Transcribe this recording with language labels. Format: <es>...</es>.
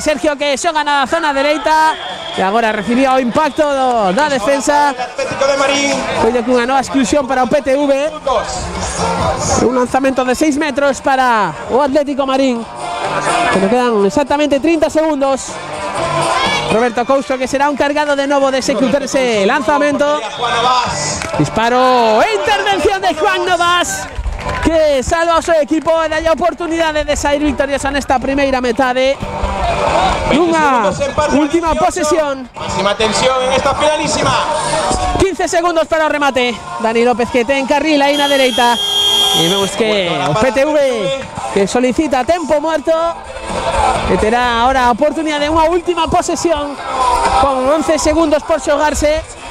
<gl>Sergio que xoga na zona dereita.</gl> <es>Y ahora recibió o impacto da defensa. Atlético de Marín. Foi con una nueva exclusión para el PTV. Un lanzamiento de 6 metros para o Atlético Marín. Que nos quedan exactamente 30 segundos. Roberto Couso que será encargado de nuevo de ejecutar ese lanzamiento. Disparo e intervención de Juan Novas. Que salva a su equipo y haya oportunidades de salir victoriosa en esta primera mitad. Una última posesión. Máxima tensión en esta finalísima. 15 segundos para el remate. Dani López que te encarrila ahí en la derecha. Y vemos que PTV que solicita tiempo muerto. Que tendrá ahora oportunidad de una última posesión.</es> <gl>Con 11 segundos por xogarse.</gl>